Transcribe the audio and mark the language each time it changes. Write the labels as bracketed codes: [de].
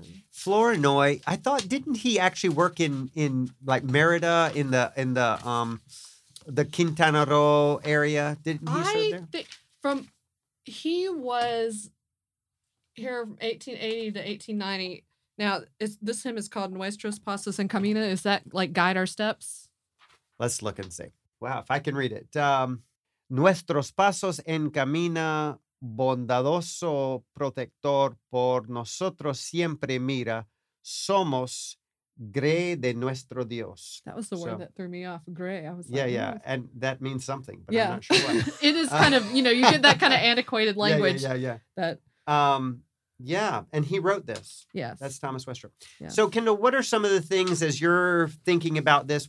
[en] Flournoy, I thought, didn't he actually work in like Merida in the Quintana Roo area? Didn't he serve there? He was here from 1880 to 1890. Now, this hymn is called Nuestros Pasos en Camino. Is that like Guide Our Steps? Let's look and see. Wow, if I can read it. [es] Nuestros Pasos en Camino, bondadoso protector, por nosotros siempre mira, somos grey de nuestro Dios. [en] That was the word that threw me off. Grey. And that means something, but yeah. I'm not sure what. It is kind of, you know, you get that kind of antiquated language. Yeah. That. Yeah. And he wrote this. Yes. That's Thomas Westrup. Yes. So, Kendall, what are some of the things as you're thinking about this?